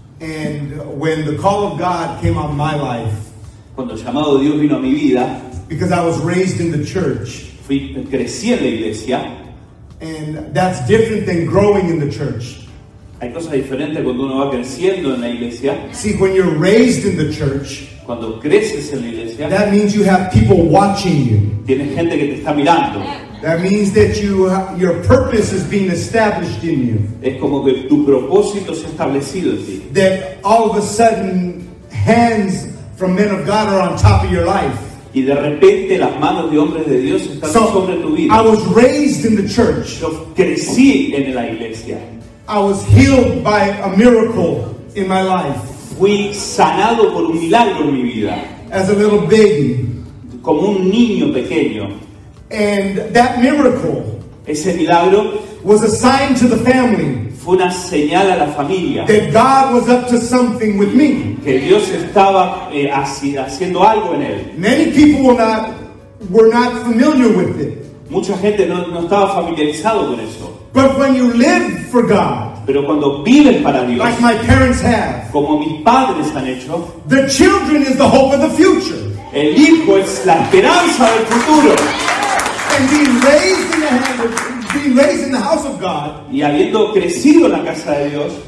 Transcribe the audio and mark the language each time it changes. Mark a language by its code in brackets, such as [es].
[en] And when the call of God came on my life, [es] cuando el llamado de Dios vino a mi vida, [en] because I was raised in the church, [es] crecí en la iglesia, [en] and that's different than growing in the church. [es] Hay cosas diferentes cuando uno va creciendo en la iglesia. [en] See, when you're raised in the church, [es] cuando creces en la iglesia, [en] that means you have people watching you. [es] Tienes gente que te está mirando. [en] That means that your purpose is being established in you. [es] Es como que tu propósito se ha establecido en ti. [en] That all of a sudden hands from men of God are on top of your life. [es] Y de repente las manos de hombres de Dios están sobre tu vida. [en] I was raised in the church. [es] Yo crecí en la iglesia. [en] I was healed by a miracle in my life. [es] Fui sanado por un milagro en mi vida. [en] As a little baby. [es] Como un niño pequeño. [en] And that miracle, [es] ese milagro, [en] was a sign to the family. [es] Fue una señal a la familia. [en] That God was up to something with me. [es] Que Dios estaba haciendo algo en él. [en] Many people were not familiar with it. [es] Mucha gente no estaba familiarizado con eso. [en] But when you live for God, [es] pero cuando viven para Dios, [en] like my parents have, [es] como mis padres han hecho, [en] the children is the hope of the future. [es] El hijo es la esperanza del futuro. [en] And being raised in the house of God, [es] y habiendo crecido en la casa de Dios,